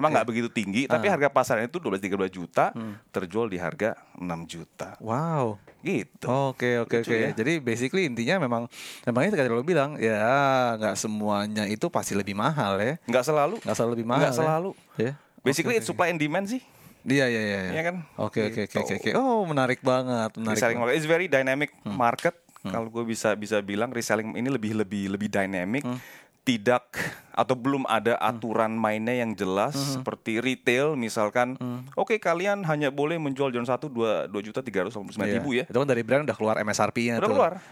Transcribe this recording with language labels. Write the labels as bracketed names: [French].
[Indonesian] Memang nggak begitu tinggi, tapi harga pasarnya itu 12-13 juta, terjual di harga 6 juta. Wow, gitu. Oke. Ya? Jadi basically intinya memangnya kayak lo bilang, ya nggak semuanya itu pasti lebih mahal ya. Nggak selalu lebih mahal. Yeah. [English] Basically it's supply and demand sih. [Indonesian] Iya kan. Oke. Oh, menarik banget. [English] It's very dynamic market. [Indonesian] Kalau gue bisa bilang reselling ini lebih dynamic. Tidak atau belum ada aturan mainnya yang jelas seperti retail misalkan. Kalian hanya boleh menjual Jordan 1 2.389.000 ya. Itu kan dari brand udah keluar MSRP-nya tuh. Keluar.